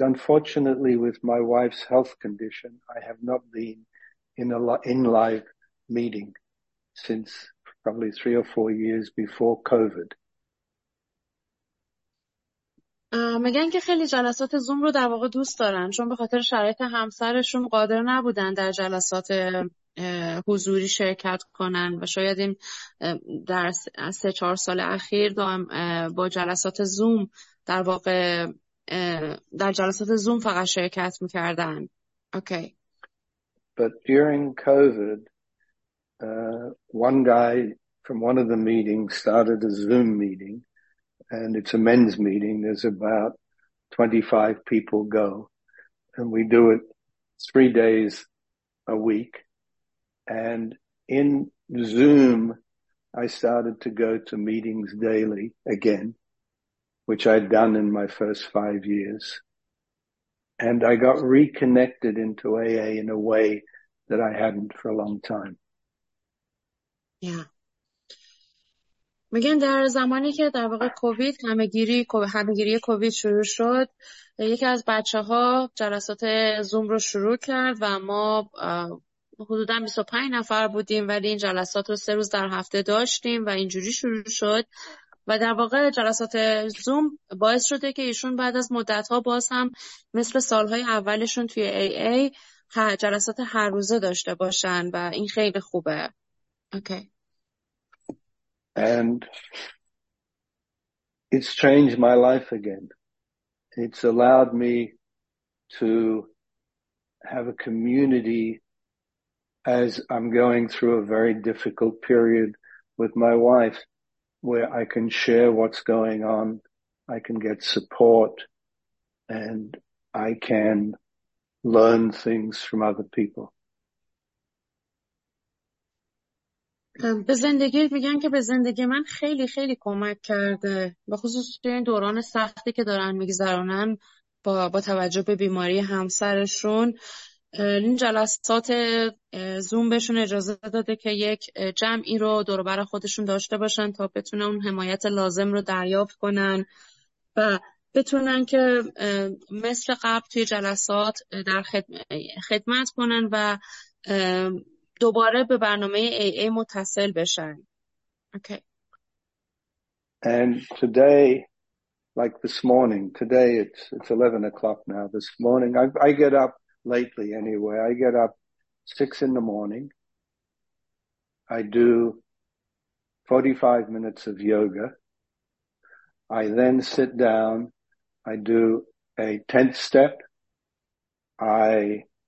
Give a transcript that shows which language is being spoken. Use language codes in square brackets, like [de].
[en] Unfortunately, with my wife's health condition, I have not been in live meeting since probably 3 or 4 years before COVID. [fa] میگن که خیلی جلسات زوم رو در واقع دوست دارن چون به خاطر شرایط همسرشون قادر نبودن در جلسات حضوری شرکت کنن و شاید این در 3-4 سال اخیر دائم با جلسات زوم در واقع در جلسات زوم فقط شرکت میکردن. [en] Okay. But during COVID, one guy from one of the meetings started a Zoom meeting. And it's a men's meeting. There's about 25 people go. And we do it 3 days a week. And in Zoom, I started to go to meetings daily again, which I'd done in my first 5 years. And I got reconnected into AA in a way that I hadn't for a long time. Yeah. [fa] میگن در زمانی که در واقع کووید همه‌گیری کووید شروع شد یکی از بچه‌ها جلسات زوم رو شروع کرد و ما حدودا 25 نفر بودیم ولی این جلسات رو 3 روز در هفته داشتیم و اینجوری شروع شد و در واقع جلسات زوم باعث شده که ایشون بعد از مدت‌ها باز هم مثل سال‌های اولشون توی AA جلسات هر روزه داشته باشن و این خیلی خوبه. [en] Okay. And it's changed my life again. It's allowed me to have a community as I'm going through a very difficult period with my wife where I can share what's going on, I can get support, and I can learn things from other people. [fa] به زندگی میگن که به زندگی من خیلی خیلی کمک کرده به خصوص توی این دوران سختی که دارن میگذرونن با توجه به بیماری همسرشون این جلسات زوم بهشون اجازه داده که یک جمعی رو دور و بر خودشون داشته باشن تا بتونن اون حمایت لازم رو دریافت کنن و بتونن که مثل قبل توی جلسات در خدمت کنن و دوباره به برنامه AA متصل بشن. [en] Okay. And today, like this morning, today it's 11 o'clock now, this morning, I get up lately anyway, I get up 6 in the morning, I do 45 minutes of yoga, I then sit down, I do a 10th step, I